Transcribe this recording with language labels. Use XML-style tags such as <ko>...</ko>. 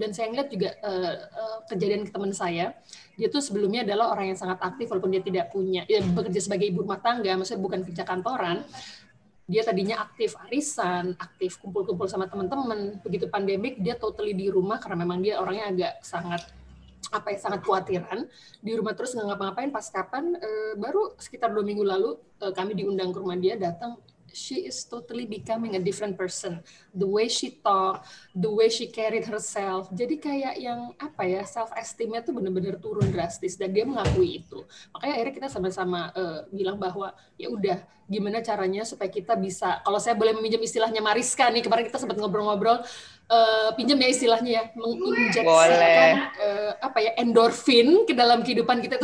<id>Dan saya ngeliat juga kejadian ke teman saya, dia tuh sebelumnya adalah orang yang sangat aktif, walaupun dia tidak punya, ya, bekerja sebagai ibu rumah tangga, maksudnya bukan kerja kantoran, dia tadinya aktif arisan, aktif kumpul-kumpul sama teman-teman. Begitu pandemik, dia totally di rumah karena memang dia orangnya agak sangat apa ya, sangat khawatiran. Di rumah terus nggak ngapa-ngapain. Pas kapan? Baru sekitar 2 minggu lalu kami diundang ke rumah dia, datang.</id> <en>She is totally becoming a different person. The way she talk, the way she carried herself.</en> <id>Jadi kayak yang apa ya, self-esteemnya tuh benar-benar turun drastis dan dia mengakui itu. Makanya akhirnya kita sama-sama bilang bahwa ya udah, gimana caranya supaya kita bisa. Kalau saya boleh meminjam istilahnya Mariska nih, kemarin kita sempat ngobrol-ngobrol, pinjam ya istilahnya ya, menginjeksikan apa ya, endorfin ke dalam kehidupan kita.</id>